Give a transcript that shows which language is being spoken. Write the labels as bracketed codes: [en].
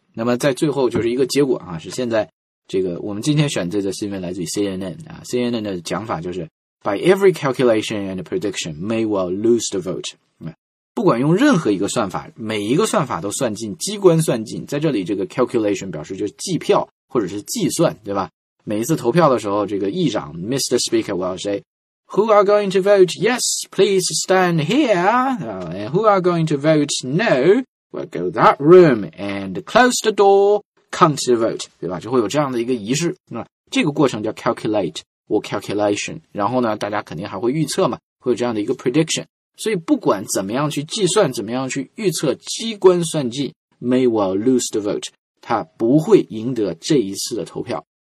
[zh] 那么在最后就是一个结果啊，是现在这个我们今天选择的新闻来自于 CNN 啊， CNN 的讲法就是 [en] by every calculation and prediction may well lose the vote、 [zh] 啊、不管用任何一个算法，每一个算法都算尽，机关算尽，在这里这个 calculation 表示就是计票或者是计算，对吧？每一次投票的时候，这个议长 Mr. [en] Speaker will say who are going to vote yes please stand here、and who are going to vote no we'll go that room and close the doorCount the vote, [zh] 对吧？就会有这样的一个仪式。那这个过程叫 calculate or calculation。然后呢，大家肯定还会预测嘛，会有这样的一个 prediction。所以不管怎么样去计算，怎么样去预测，机关算尽 [en] may well lose the vote， [zh] 他不会赢得这一次的投票。